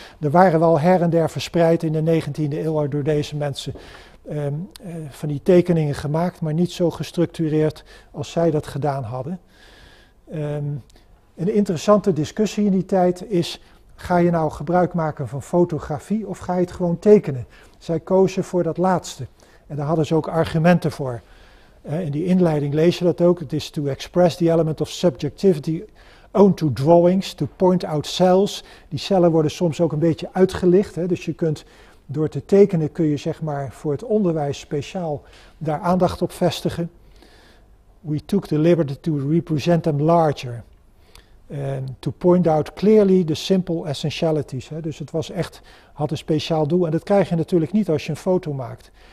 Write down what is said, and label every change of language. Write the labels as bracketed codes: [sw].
[nl] Er waren wel her en der verspreid in de 19e eeuw door deze mensen van die tekeningen gemaakt, maar niet zo gestructureerd als zij dat gedaan hadden. Een interessante discussie in die tijd is, ga je nou gebruik maken van fotografie of ga je het gewoon tekenen? Zij kozen voor dat laatste en daar hadden ze ook argumenten voor. In die inleiding lees je dat ook. [en] It is to express the element of subjectivity owned to drawings, to point out cells. [nl] Die cellen worden soms ook een beetje uitgelicht. Hè? Dus je kunt door te tekenen, kun je zeg maar voor het onderwijs speciaal daar aandacht op vestigen. [en] We took the liberty to represent them larger. To point out clearly the simple essentialities. [nl] Hè? Dus het was echt, had een speciaal doel. En dat krijg je natuurlijk niet als je een foto maakt.